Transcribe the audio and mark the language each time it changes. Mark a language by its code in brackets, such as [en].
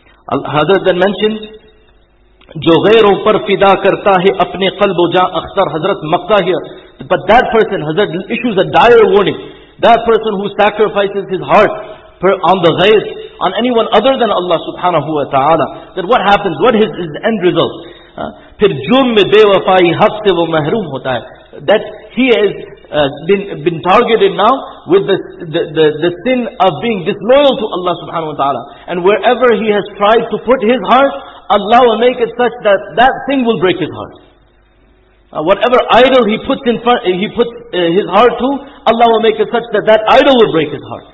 [en] Hazrat then mentioned, [ur] jo ghairon par fida karta hai apne qalb o jaan akhtar. [en] Hazrat Makkah here. But that person, Hazrat issues a dire warning. That person who sacrifices his heart on the ghayr, on anyone other than Allah subhanahu wa ta'ala, that what happens, what is his end result? [ur] پھر جرم میں بے وفائی حق سے وہ محروم ہوتا ہے. [en] That he has been targeted now with the sin of being disloyal to Allah subhanahu wa ta'ala. And wherever he has tried to put his heart, Allah will make it such that that thing will break his heart. Whatever idol he puts his heart to, Allah will make it such that that idol will break his heart.